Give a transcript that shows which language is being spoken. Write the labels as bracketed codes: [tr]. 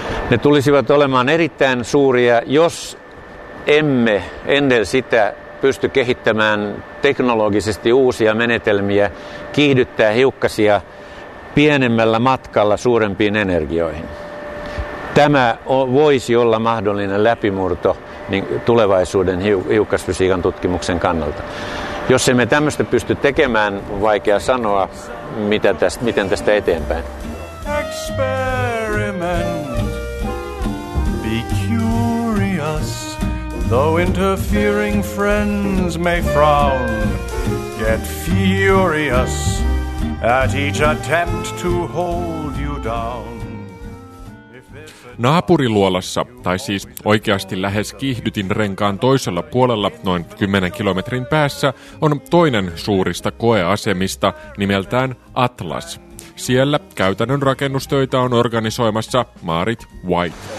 [fi] Ne tulisivat olemaan erittäin suuria, jos emme ennen sitä pysty kehittämään teknologisesti uusia menetelmiä kiihdyttää hiukkasia pienemmällä matkalla suurempiin energioihin. Tämä voisi olla mahdollinen läpimurto tulevaisuuden hiukkasfysiikan tutkimuksen kannalta. Jos emme tämmöistä pysty tekemään, on vaikea sanoa, miten tästä eteenpäin. [en] Experiment, be curious, though interfering friends may frown, get furious at each attempt to hold you down. [fi] Naapuriluolassa, tai siis oikeasti lähes kiihdytin renkaan toisella puolella noin 10 kilometrin päässä, on toinen suurista koeasemista nimeltään Atlas. Siellä käytännön rakennustöitä on organisoimassa Marit White.